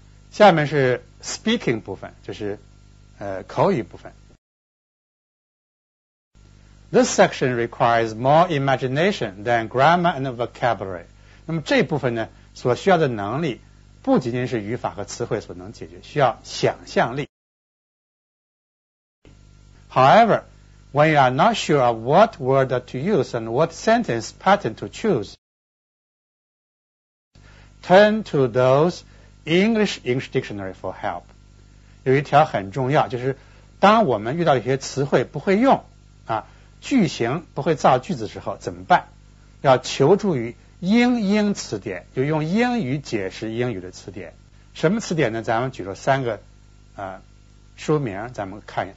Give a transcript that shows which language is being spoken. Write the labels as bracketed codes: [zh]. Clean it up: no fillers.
[zh] 下面是 speaking 部分，就是口语部分。 [en] This section requires more imagination than grammar and vocabulary。 [zh] 那么这部分呢，所需要的能力不仅仅是语法和词汇所能解决，需要想象力。 [en] However, when you are not sure of what word to use and what sentence pattern to choose, turn to those English English Dictionary for help。 [zh] 有一条很重要，就是当我们遇到一些词汇不会用啊，句型不会造句子的时候怎么办？要求助于英英词典，就用英语解释英语的词典。什么词典呢？咱们举了三个书名，咱们看一下。